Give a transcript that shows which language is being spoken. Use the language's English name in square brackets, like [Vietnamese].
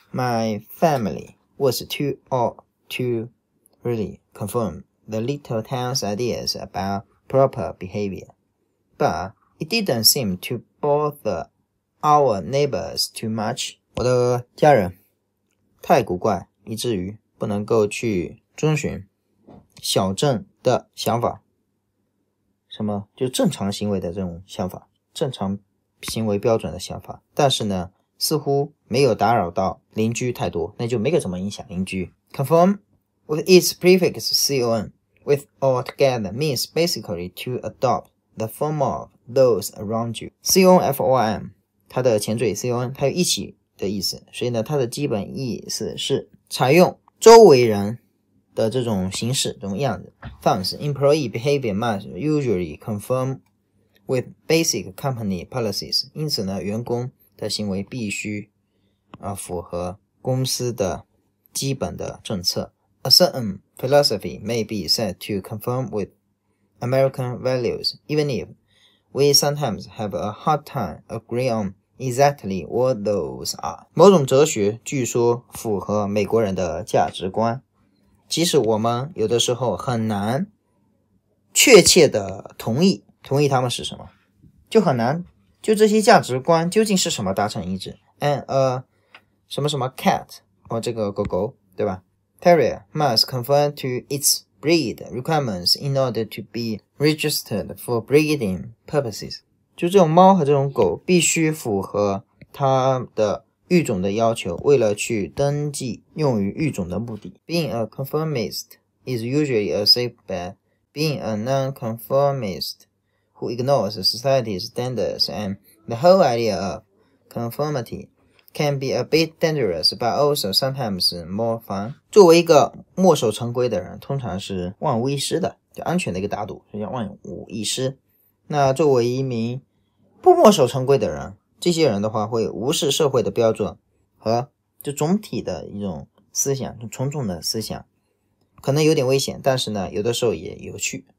[English] My family was too old to really confirm the little town's ideas about proper behavior. But it didn't seem to bother our neighbors too much. [Chinese] 我的家人太古怪，以至于不能够去遵循小镇的想法。什么？就正常行为的这种想法，正常行为标准的想法。但是呢，似乎没有打扰到邻居太多，那就没有怎么影响邻居。 [English] Conform with its prefix con, with all together means basically to adopt the form of those around you. [Chinese] Conform, 它的前缀 con, 它有一起的意思，所以呢，它的基本意思是采用周围人的这种形式，这种样子。 [English] Thus, employee behavior must usually conform with basic company policies. [Chinese] 因此呢，员工的行为必须符合公司的基本的政策。 [English] A certain philosophy may be said to conform with American values, even if we sometimes have a hard time agreeing on exactly what those are. [Chinese] 某种哲学据说符合美国人的价值观，即使我们有的时候很难确切的同意他们是什么，就很难就这些价值观究竟是什么达成一致。 [English] And a [Chinese] 什么什么 cat 或这个狗狗，对吧？ [English] Terrier must conform to its breed requirements in order to be registered for breeding purposes. [Chinese] 就这种猫和这种狗必须符合它的育种的要求，为了去登记用于育种的目的。 [English] Being a conformist is usually a safe bet. Being a non-conformist who ignores society's standards and the whole idea of conformity. Can be a bit dangerous, but also sometimes more fun. [Chinese] 作为一个墨守成规的人，通常是万无一失的，就安全的一个打赌，就叫万无一失。那作为一名不墨守成规的人，这些人的话会无视社会的标准和就总体的一种思想，就从众的思想，可能有点危险，但是呢，有的时候也有趣。